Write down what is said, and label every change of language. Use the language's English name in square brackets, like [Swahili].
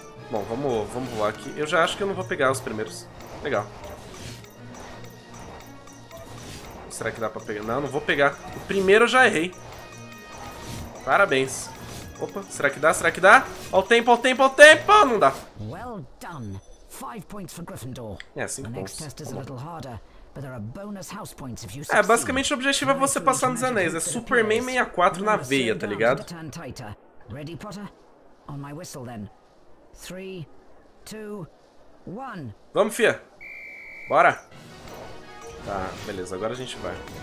[Portuguese] Bom, vamos voar aqui. Eu já acho que eu não vou pegar os primeiros. Legal. Será que dá pra pegar? Não, não vou pegar. O primeiro eu já errei. Parabéns. Opa, será que dá? Será que dá? Olha o tempo, olha o tempo, olha o tempo! Não dá. [English] Well done. 5 points for Gryffindor. [Portuguese] É, 5 pontos. [English] Next test is a little harder, but there are bonus house points if you succeed. [Portuguese] É, basicamente o objetivo é você passar nos anéis. É Superman 64 na veia, tá ligado? [English] Ready, Potter? On my whistle then. 3, 2, 1. [Portuguese] Vamos, fia. Bora. Tá, beleza. Agora a gente vai.